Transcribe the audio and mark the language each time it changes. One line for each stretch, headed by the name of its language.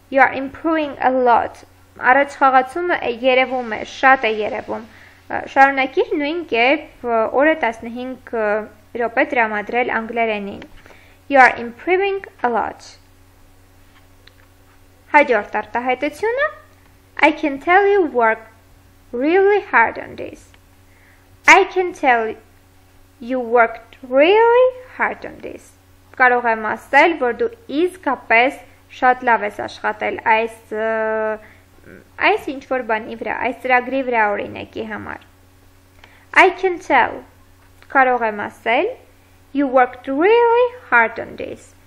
English: You are improving a lot.
Armenian: Առաջ խաղացումը երևում է, շատ է երևում։ Շարունակիր նույն կերպ օրը 15 րոպե դրամադրել անգլերենին։ You are improving a lot. Հաջորդ արտահայտությունը.
English: I can tell you work really hard on this. I can tell you worked really hard on this.
Armenian: Կարող եմ ասել, որ դու իսկապես շատ լավ ես աշխատել այս ինչ-որ բանի վրա, այս ծրագրի վրա օրինակի համար։ I can tell, կարող եմ ասել,
English: you worked really hard on this.